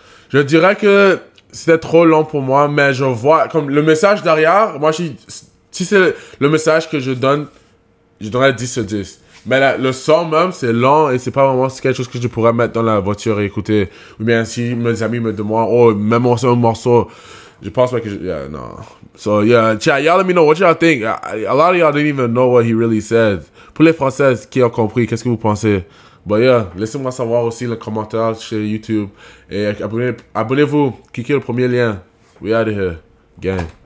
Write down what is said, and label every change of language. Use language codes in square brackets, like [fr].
[fr] Je dirais que c'était trop long pour moi, mais je vois comme le message derrière. Moi, si c'est le message que je donne, je donnerais 10 sur 10. Mais là, le son même, c'est lent et c'est pas vraiment quelque chose que je pourrais mettre dans la voiture et écouter. Ou bien si mes amis me demandent, oh, même c'est un morceau, je pense pas que je... [en] Yeah, no. So, yeah, chat, y'all let me know what y'all think. A lot of y'all didn't even know what he really said. [fr] Pour les Françaises qui ont compris, qu'est-ce que vous pensez? [en] But yeah, [fr] laissez-moi savoir aussi les commentaires chez YouTube. Et abonnez-vous, cliquez le premier lien. [en] We out of here, gang.